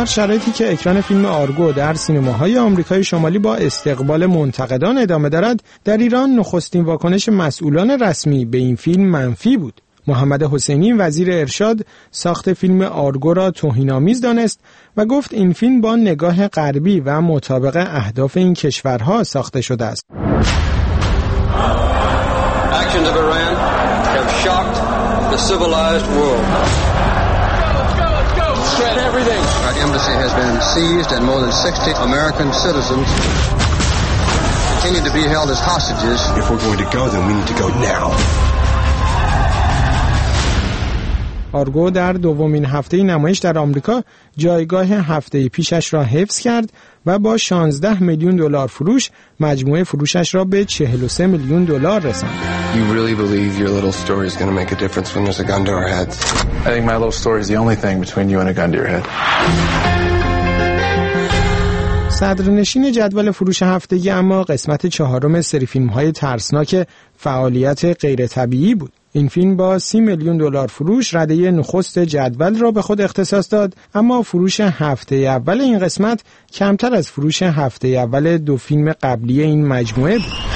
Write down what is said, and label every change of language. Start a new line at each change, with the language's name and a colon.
Persian: در شرایطی که اکران فیلم آرگو در سینماهای آمریکای شمالی با استقبال منتقدان ادامه دارد، در ایران نخستین واکنش مسئولان رسمی به این فیلم منفی بود. محمد حسینی وزیر ارشاد ساخت فیلم آرگو را توهین‌آمیز دانست و گفت این فیلم با نگاه غربی و مطابق اهداف این کشورها ساخته شده است.
English: Actions of Iran have shocked the civilized world. Our embassy has been seized and more than 60 American citizens continue to be held as hostages. If we're going to go, then we need to go now.
Persian: آرگو در دومین هفته نمایش در آمریکا جایگاه هفته پیشش را حفظ کرد و با 16 میلیون دلار فروش مجموعه فروشش را به 43 میلیون دلار رساند.
English: You really believe your little story is going to make a difference when there's a gun to our heads? I think my little story is the only thing between you and a gun to your head.
Persian: صدرنشین جدول فروش هفتگی اما قسمت چهارم سری فیلم‌های ترسناک فعالیت غیرطبیعی بود. این فیلم با 30 میلیون دلار فروش رده نخست جدول را به خود اختصاص داد، اما فروش هفته اول این قسمت کمتر از فروش هفته اول دو فیلم قبلی این مجموعه بود.